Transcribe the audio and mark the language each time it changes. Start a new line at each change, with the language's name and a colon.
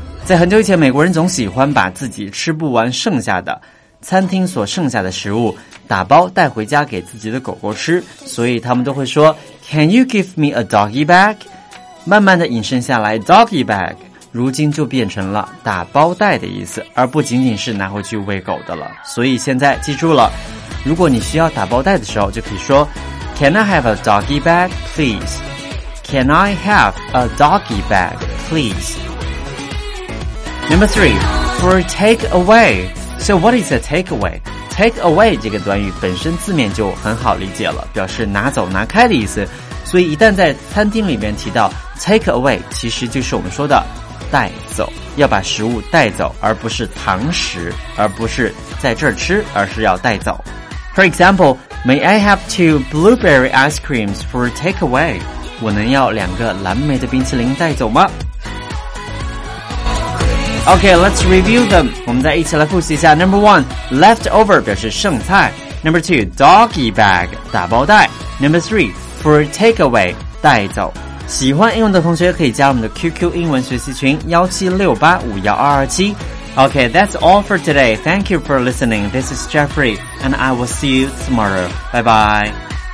Chinese: 在很久以前，美国人总喜欢把自己吃不完剩下的餐厅所剩下的食物打包带回家给自己的狗狗吃，所以他们都会说
English: Can you give me a doggy bag?
Chinese: 慢慢的引申下来， doggy bag如今就变成了打包袋的意思，而不仅仅是拿回去喂狗的了。所以现在记住了，如果你需要打包袋的时候，就可以说
English: Can I have a doggy bag, please? Can I have a doggy bag, please? Number three, for take away. So what is a take away?
Chinese: Take away 这个短语本身字面就很好理解了，表示拿走拿开的意思。所以一旦在餐厅里面提到 take away, 其实就是我们说的带走，要把食物带走，而不是堂食，而不是在这儿吃，而是要带走。
English: For example, may I have two blueberry ice creams for takeaway?
Chinese: 我能要两个蓝莓的冰淇淋带走吗？
English: OK, let's review them.
Chinese: 我们再一起来复习一下。
English: Number one, leftover
Chinese: 表示剩菜。
English: Number two, doggy bag
Chinese: 打包袋。
English: Number three, for takeaway
Chinese: 带走。喜欢英文的同学可以加我们的 QQ 英文学习群17685127。
English: OK, that's all for today. Thank you for listening. This is Jeffrey, and I will see you tomorrow. Bye bye.